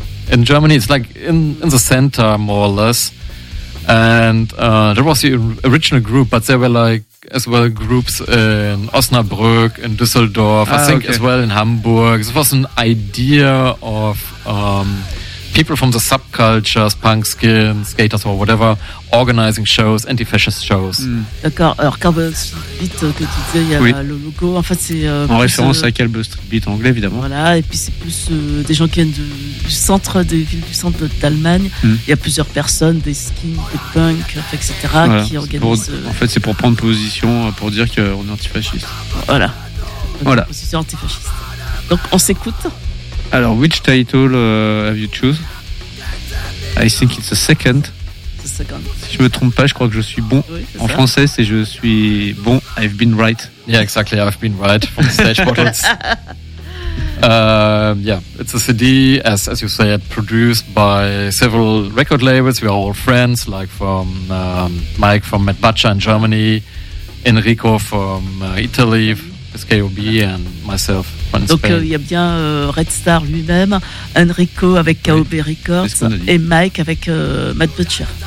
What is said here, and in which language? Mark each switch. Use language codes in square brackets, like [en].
[en] In Germany, it's like in the center, more or less. And there was the original group, but there were like as well groups in Osnabrück, in Düsseldorf, as well in Hamburg. This was an idea of people from the subcultures, punk skin, skaters or whatever, organizing shows, anti-fascist shows. Mm. [fr] D'accord. Alors, Cable Street Beat, que tu disais, il y a le logo. En fait, c'est en référence à Cable Street Beat anglais, évidemment. Voilà. Et puis, c'est plus des gens qui viennent du centre des villes du centre d'Allemagne. Mm. Il y a plusieurs personnes, des skins, des punks, etc., qui organisent. C'est pour prendre position, pour dire qu'on est antifasciste. Voilà. Voilà. Position antifasciste. Donc, on s'écoute. [en] Alors, which title have you chose? I think it's the second. The second. [fr] Si je me trompe pas, je crois que je suis bon en français, c'est je suis bon. [en] I've been right. Yeah, exactly. I've been right from Stage Bottles. it's a CD as you said, produced by several record labels. We are all friends, like from Mike from Matt Butcher in Germany, Enrico from Italy, SKOB, and myself. [fr] Donc il y a bien Red Star lui-même, Enrico avec KOB Records et Mike avec Matt Butcher.